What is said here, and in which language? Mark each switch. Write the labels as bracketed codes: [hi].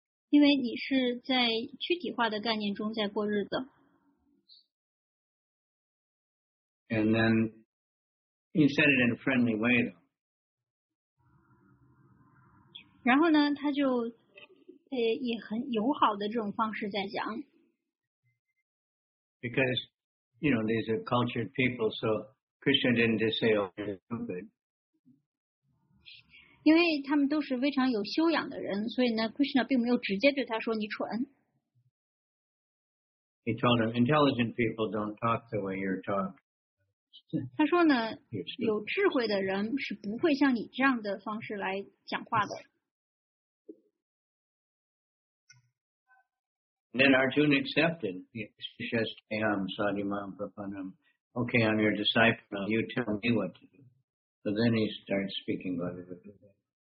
[zh] 因为你是在躯体化的概念中在过日子。 [en] And then he said it in a friendly way, though. [zh] 然后呢, 他就, 也很友好的这种方式在讲。 [en] Because, you know, these are cultured people, so Krishna didn't just say, "Oh, you're stupid." [zh] 因为他们都是非常有修养的人, 所以呢, Krishna 并没有直接对他说, 你蠢。 [en] He told him, "Intelligent people don't talk the way you're talking. [zh] 他说呢，有智慧的人是不会像你这样的方式来讲话的。 [en] Then Arjuna accepted. He says, "I am [sa] Sadhimam Prapanam. [en] Okay, I'm your disciple. You tell me what to do." So then he starts speaking Bhagavad Gita.